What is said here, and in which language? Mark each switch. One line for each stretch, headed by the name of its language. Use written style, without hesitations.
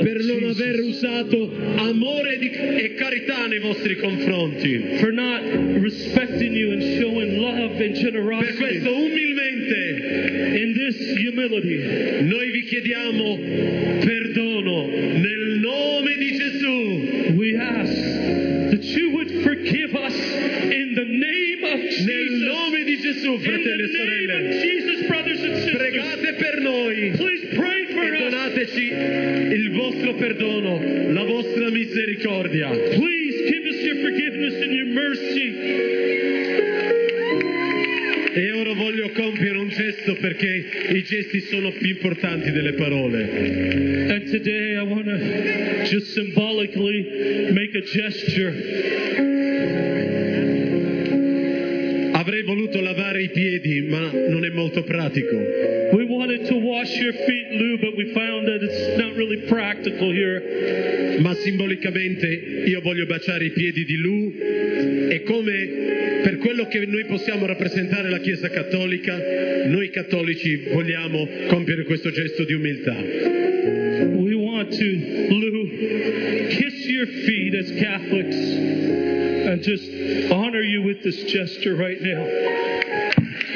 Italian: per non
English: Jesus.
Italian: Aver usato amore e carità nei vostri confronti.
English: For not respecting you and showing love and generosity.
Italian: Per questo umilmente,
English: in this humility,
Italian: noi vi chiediamo perdono nel nome di Gesù.
English: We ask that you would forgive us in the name of Jesus.
Italian: Nel nome di Gesù, fratelli e sorelle.
English: In the name of Jesus, brothers and sisters.
Italian: Pregate per noi.
English: Please pray for us.
Italian: manifestaci il vostro perdono, la vostra misericordia.
English: Please give us your forgiveness and your mercy.
Italian: E ora voglio compiere un gesto perché I gesti sono più importanti delle parole.
English: And today I want to just symbolically make a gesture.
Italian: Avrei voluto lavare I piedi, ma non è molto pratico.
English: We wanted to wash your feet, Lou, but we found that it's not really practical here.
Italian: Ma simbolicamente io voglio baciare I piedi di Lou e come per quello che noi possiamo rappresentare la Chiesa Cattolica, noi cattolici vogliamo compiere questo gesto di umiltà.
English: We want to, Lou, kiss your feet as Catholics. And just honor you with this gesture right now.